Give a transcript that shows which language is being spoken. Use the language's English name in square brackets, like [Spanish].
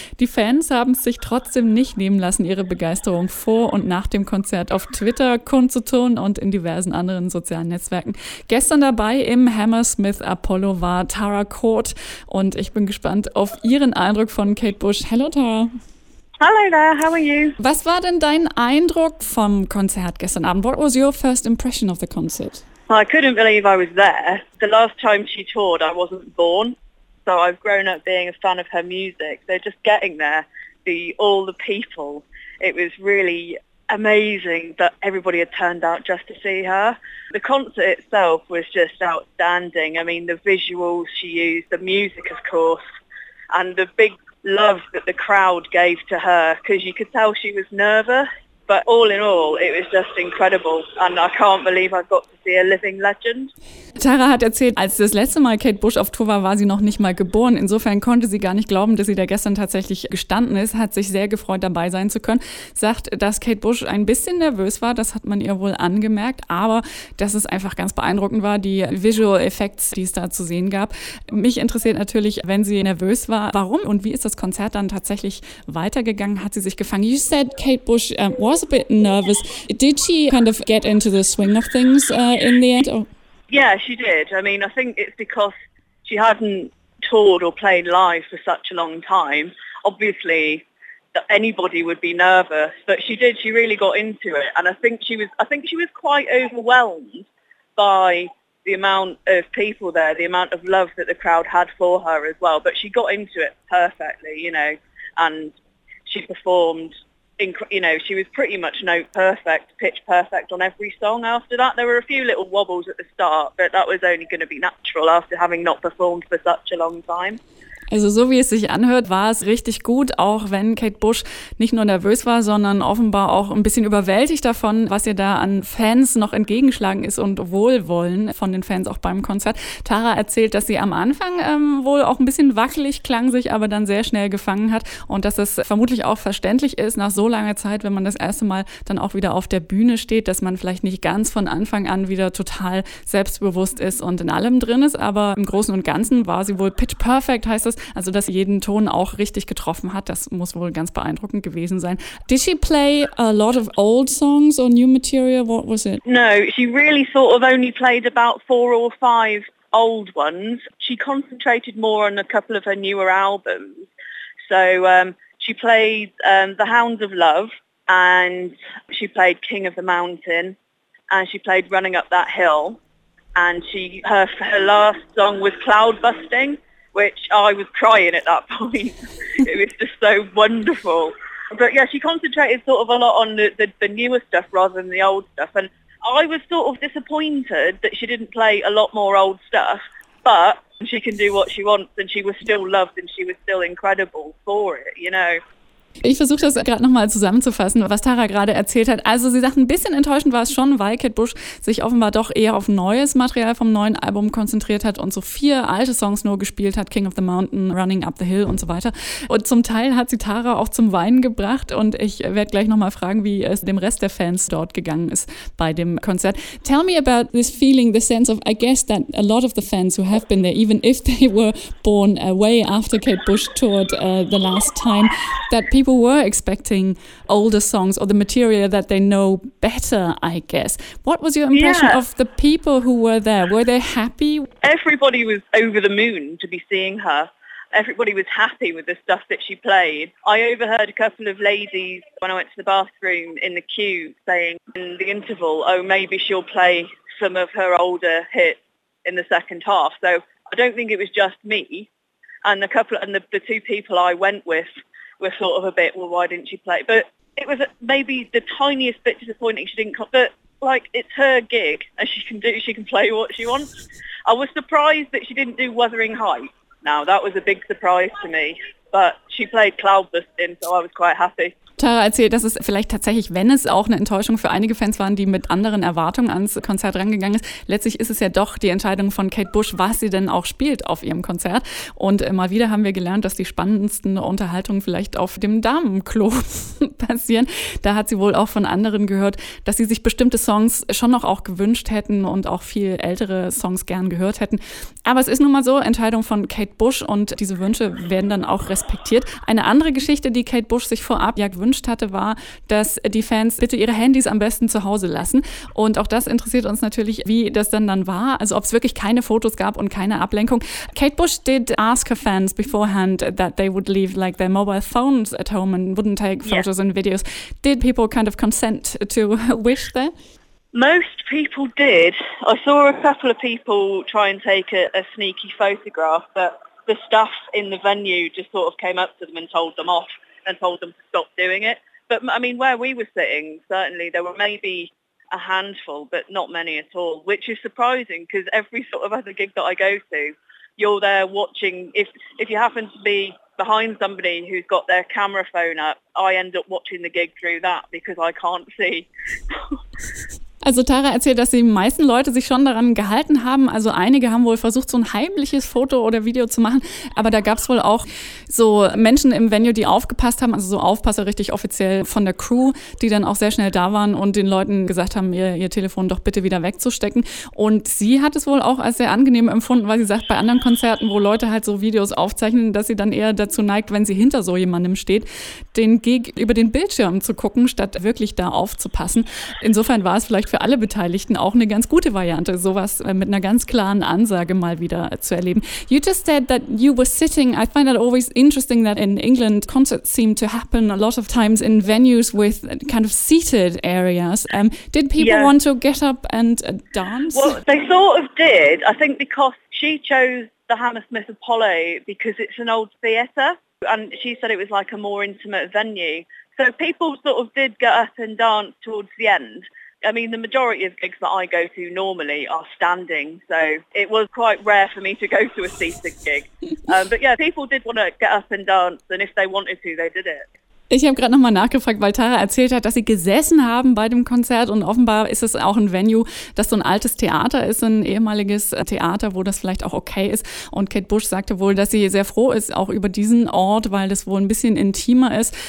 [German] Die Fans haben es sich trotzdem nicht nehmen lassen, ihre Begeisterung vor und nach dem Konzert auf Twitter kundzutun und in diversen anderen sozialen Netzwerken. Gestern dabei im Hammersmith Apollo war Tara Court. Und ich bin gespannt auf Ihren Eindruck von Kate Bush. [English] Hello, Tara. Hello there, how are you? [German] Was war denn dein Eindruck vom Konzert gestern Abend? [English] What was your first impression of the concert? Well, I couldn't believe I was there. The last time she toured, I wasn't born. So I've grown up being a fan of her music. So just getting there, all the people, it was really amazing that everybody had turned out just to see her. The concert itself was just outstanding. I mean, the visuals she used, the music, of course, and the big love that the crowd gave to her, because you could tell she was nervous. But all in all, it was just incredible. And I can't believe I've got to see a living legend. [German] Tara hat erzählt, als das letzte Mal Kate Bush auf Tour war, war sie noch nicht mal geboren. Insofern konnte sie gar nicht glauben, dass sie da gestern tatsächlich gestanden ist. Hat sich sehr gefreut, dabei sein zu können. Sagt, dass Kate Bush ein bisschen nervös war. Das hat man ihr wohl angemerkt. Aber dass es einfach ganz beeindruckend war, die Visual Effects, die es da zu sehen gab. Mich interessiert natürlich, wenn sie nervös war, warum und wie ist das Konzert dann tatsächlich weitergegangen? Hat sie sich gefangen? [English] You said Kate Bush was a bit nervous. Did she kind of get into the swing of things in the end? Yeah, she did. I mean, I think it's because she hadn't toured or played live for such a long time. Obviously, anybody would be nervous, but she did. She really got into it. And I think she was quite overwhelmed by the amount of people there, the amount of love that the crowd had for her as well. But she got into it perfectly, you know, and she performed. You know, she was pretty much note perfect, pitch perfect on every song after that. There were a few little wobbles at the start, but that was only going to be natural after having not performed for such a long time. [German] Also so wie es sich anhört, war es richtig gut, auch wenn Kate Bush nicht nur nervös war, sondern offenbar auch ein bisschen überwältigt davon, was ihr da an Fans noch entgegenschlagen ist und Wohlwollen von den Fans auch beim Konzert. Tara erzählt, dass sie am Anfang wohl auch ein bisschen wackelig klang, sich aber dann sehr schnell gefangen hat und dass es vermutlich auch verständlich ist, nach so langer Zeit, wenn man das erste Mal dann auch wieder auf der Bühne steht, dass man vielleicht nicht ganz von Anfang an wieder total selbstbewusst ist und in allem drin ist, aber im Großen und Ganzen war sie wohl pitch perfect, heißt das. Also, dass sie jeden Ton auch richtig getroffen hat, das muss wohl ganz beeindruckend gewesen sein. [English] Did she play a lot of old songs or new material? What was it? No, she really sort of only played about 4 or 5 old ones. She concentrated more on a couple of her newer albums. So she played The Hounds of Love and she played King of the Mountain and she played Running Up That Hill. And her last song was Cloud Busting, which I was crying at that point. It was just so wonderful. But yeah, she concentrated sort of a lot on the newer stuff rather than the old stuff. And I was sort of disappointed that she didn't play a lot more old stuff, but she can do what she wants and she was still loved and she was still incredible for it, you know. [German] Ich versuche das gerade nochmal zusammenzufassen, was Tara gerade erzählt hat. Also sie sagt, ein bisschen enttäuschend war es schon, weil Kate Bush sich offenbar doch eher auf neues Material vom neuen Album konzentriert hat und so 4 alte Songs nur gespielt hat, King of the Mountain, Running Up the Hill und so weiter. Und zum Teil hat sie Tara auch zum Weinen gebracht und ich werde gleich nochmal fragen, wie es dem Rest der Fans dort gegangen ist bei dem Konzert. [English] Tell me about this feeling, the sense of, I guess that a lot of the fans who have been there, even if they were born way after Kate Bush toured the last time, that people were expecting older songs or the material that they know better, I guess. What was your impression of the people who were there? Were they happy? Everybody was over the moon to be seeing her. Everybody was happy with the stuff that she played. I overheard a couple of ladies when I went to the bathroom in the queue saying in the interval, oh, maybe she'll play some of her older hits in the second half. So I don't think it was just me. And the 2 people I went with were sort of a bit, well, why didn't she play? But it was maybe the tiniest bit disappointing she didn't come. But, like, it's her gig, and she can do, she can play what she wants. I was surprised that she didn't do Wuthering Heights. Now, that was a big surprise to me. But she played Cloudbusting, so I was quite happy. [German] Tara erzählt, dass es vielleicht tatsächlich, wenn es auch eine Enttäuschung für einige Fans waren, die mit anderen Erwartungen ans Konzert rangegangen ist, letztlich ist es ja doch die Entscheidung von Kate Bush, was sie denn auch spielt auf ihrem Konzert. Und mal wieder haben wir gelernt, dass die spannendsten Unterhaltungen vielleicht auf dem Damenklo passieren. Da hat sie wohl auch von anderen gehört, dass sie sich bestimmte Songs schon noch auch gewünscht hätten und auch viel ältere Songs gern gehört hätten. Aber es ist nun mal so, Entscheidung von Kate Bush, und diese Wünsche werden dann auch respektiert. Eine andere Geschichte, die Kate Bush sich vorab ja gewünscht hatte, war, dass die Fans bitte ihre Handys am besten zu Hause lassen. Und auch das interessiert uns natürlich, wie das dann war. Also ob es wirklich keine Fotos gab und keine Ablenkung. [English] Kate Bush did ask her fans beforehand that they would leave like their mobile phones at home and wouldn't take photos and videos. Did people kind of consent to wish that? Most people did. I saw a couple of people try and take a sneaky photograph, but the staff in the venue just sort of came up to them and told them off and told them to stop doing it. But I mean, where we were sitting, certainly there were maybe a handful, but not many at all, which is surprising because every sort of other gig that I go to, you're there watching. If you happen to be behind somebody who's got their camera phone up, I end up watching the gig through that because I can't see. [German] Also Tara erzählt, dass die meisten Leute sich schon daran gehalten haben. Also einige haben wohl versucht, so ein heimliches Foto oder Video zu machen. Aber da gab es wohl auch so Menschen im Venue, die aufgepasst haben. Also so Aufpasser richtig offiziell von der Crew, die dann auch sehr schnell da waren und den Leuten gesagt haben, ihr Telefon doch bitte wieder wegzustecken. Und sie hat es wohl auch als sehr angenehm empfunden, weil sie sagt, bei anderen Konzerten, wo Leute halt so Videos aufzeichnen, dass sie dann eher dazu neigt, wenn sie hinter so jemandem steht, den Gig über den Bildschirm zu gucken, statt wirklich da aufzupassen. Insofern war es vielleicht für alle Beteiligten auch eine ganz gute Variante, sowas mit einer ganz klaren Ansage mal wieder zu erleben. [English] You just said that you were sitting. I find that always interesting that in England concerts seem to happen a lot of times in venues with kind of seated areas. Did people want to get up and dance? Well, they sort of did. I think because she chose the Hammersmith Apollo because it's an old theatre and she said it was like a more intimate venue. So people sort of did get up and dance towards the end. I mean, the majority of gigs that I go to normally are standing, so it was quite rare for me to go to a seated gig. But yeah, people did want to get up and dance, and if they wanted to, they did it. [German] Ich habe gerade nochmal nachgefragt, weil Tara erzählt hat, dass sie gesessen haben bei dem Konzert und offenbar ist es auch ein Venue, das so ein altes Theater ist, ein ehemaliges Theater, wo das vielleicht auch okay ist. Und Kate Bush sagte wohl, dass sie sehr froh ist auch über diesen Ort, weil das wohl ein bisschen intimer ist.